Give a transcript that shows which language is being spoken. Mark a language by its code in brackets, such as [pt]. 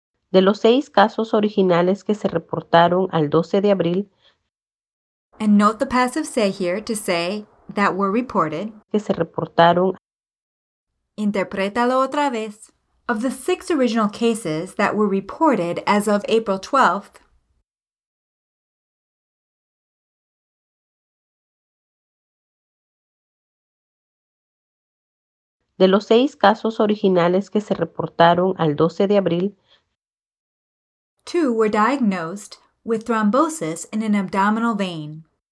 [es] de los 6 casos originales que se reportaron al 12 de abril. [en] And note the passive say here to say that were reported. [es] Que se reportaron. Interprétalo otra vez. [en] Of the 6 original cases that were reported as of April 12th. [es] De los 6 casos originales que se reportaron al 12 de abril. [en] 2 were diagnosed with thrombosis in an abdominal vein.